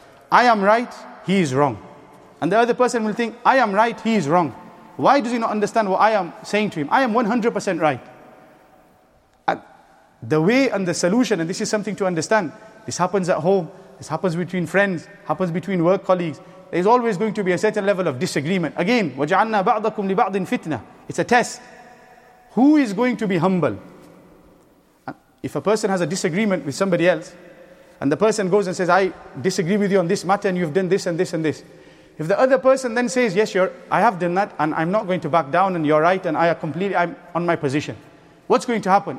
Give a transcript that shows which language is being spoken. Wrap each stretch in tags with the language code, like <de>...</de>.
<en>I am right, he is wrong. And the other person will think, I am right, he is wrong. Why does he not understand what I am saying to him? I am 100% right. And the way and the solution, and this is something to understand, this happens at home, this happens between friends, happens between work colleagues. There's always going to be a certain level of disagreement. Again,</en> <ar>وَجَعَلْنَا بَعْضَكُمْ لِبَعْضٍ فِتْنَةٍ.</ar> <en>It's a test. Who is going to be humble? If a person has a disagreement with somebody else, and the person goes and says, I disagree with you on this matter, and you've done this and this and this. If the other person then says, yes, I have done that, and I'm not going to back down, and you're right, and I'm on my position. What's going to happen?</en>